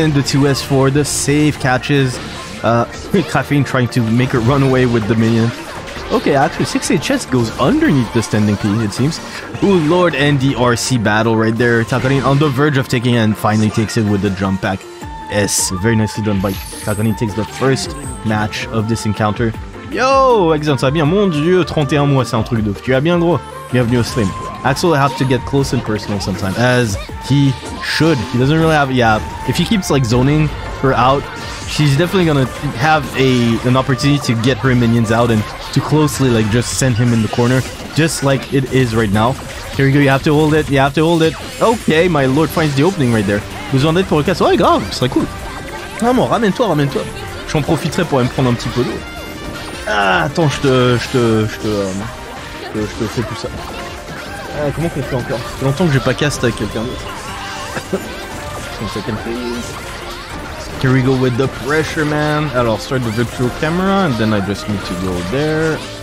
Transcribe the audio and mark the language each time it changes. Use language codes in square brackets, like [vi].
[en] And the 2S4, the save catches. Caffeine trying to make it run away with the minion. Okay, actually, 6HS goes underneath the standing P, it seems. Oh, Lord, and the RC battle right there. Takarin on the verge of taking it and finally takes it with the jump back. Yes, very nicely done by Takarin. Takes the first match of this encounter. [fr] Yo, Exxon, ça bien? Mon Dieu, 31 mois, c'est un truc de fou. Tu as bien, gros? Bienvenue au stream. [en] Axel has to get close and personal sometimes, as he should. He doesn't really have... Yeah, if he keeps, like, zoning her out, she's definitely gonna have an opportunity to get her minions out and to closely, like, just send him in the corner, just like it is right now. Here we go, you have to hold it. Okay, my lord finds the opening right there. [fr] Vous en êtes pour le casse? Oh, grave, ce serait cool. Vraiment, ramène-toi. J'en profiterai pour me prendre un petit peu d'eau. Ah, attends, je te fais tout ça. Comment qu'on fait encore? C'est longtemps que j'ai pas cast avec quelqu'un d'autre. [en] Here we go with the pressure, man. Alors, start the virtual camera, and then I just need to go there.